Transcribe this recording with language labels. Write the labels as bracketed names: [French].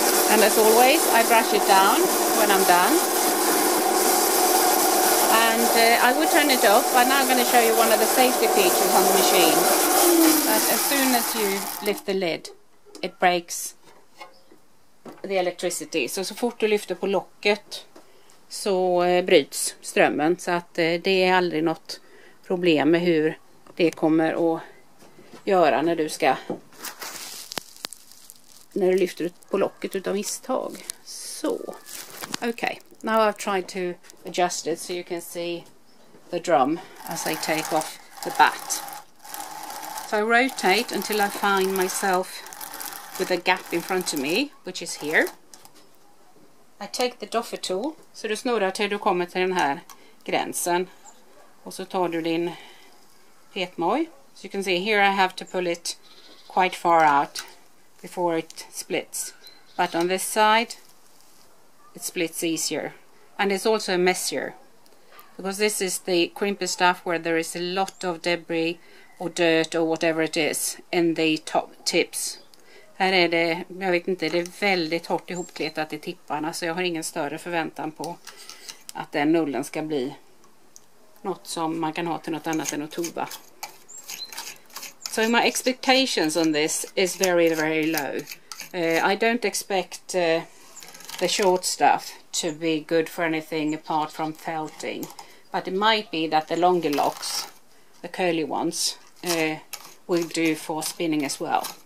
[English] And as always, I brush it down when I'm done. And I would turn it off, but now I'm going to show you one of the safety features on the machine. But as soon as you lift the lid, it breaks the electricity. [Swedish] Så fort du lyfter på locket så bryts strömmen. Så att det är aldrig något problem med hur det kommer att göra när du ska, när du lyfter på locket utan misstag. Så, okej. [English] Now I've tried to adjust it so you can see the drum as I take off the batt. So I rotate until I find myself with a gap in front of me, which is here. I take the doffer tool, [Swedish] så du snurrar till du kommer till den här gränsen. Och så tar du din petmoj. [English] So you can see here I have to pull it quite far out before it splits. But on this side, it splits easier, and it's also messier, because this is the crimpy stuff where there is a lot of debris or dirt or whatever it is in the top tips. [Swedish] Här är det, jag vet inte, det är väldigt hårt ihopkletat I tipparna, så jag har ingen större förväntan på att den nullen ska bli något som man kan ha till något annat än att tova. [English] So my expectations on this is very, very low. I don't expect the short stuff to be good for anything apart from felting, but it might be that the longer locks, the curly ones, will do for spinning as well.